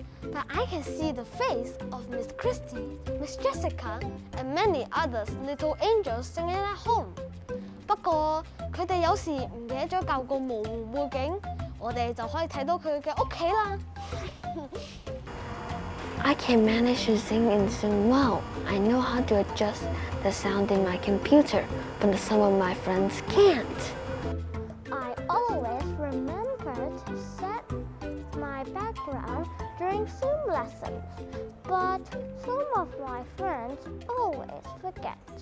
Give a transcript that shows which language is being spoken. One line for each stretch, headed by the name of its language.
English: But I can see the face of Miss Christie, Miss Jessica, and many others little angels singing at home.
Cantonese: 不過佢哋有時唔記得咗校個模糊背景，我哋就可以睇到佢嘅屋企啦。
English: I can manage to sing in Zoom well. I know how to adjust the sound in my computer, but some of my friends can't. I always remember to set my background during Zoom lessons, but some of my friends always forget.